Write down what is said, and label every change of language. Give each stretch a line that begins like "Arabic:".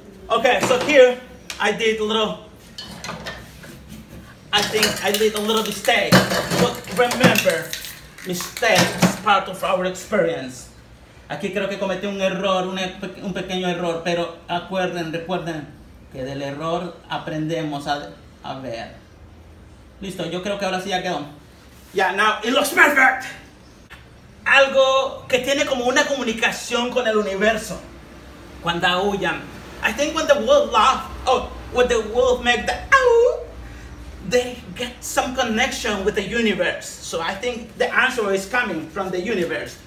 English: Okay, so here, I did a little mistake, but remember, mistake is part of our experience.
Spanish: Aquí creo que cometí un error, un pequeño error, pero recuerden que del error aprendemos a ver. Listo, yo creo que ahora sí ya quedó.
English: Yeah, now it looks perfect.
Spanish: Algo que tiene como una comunicación con el universo. Cuando aullan.
English: I think when the wolf laugh, or when the wolf make the au, they get some connection with the universe. So I think the answer is coming from the universe.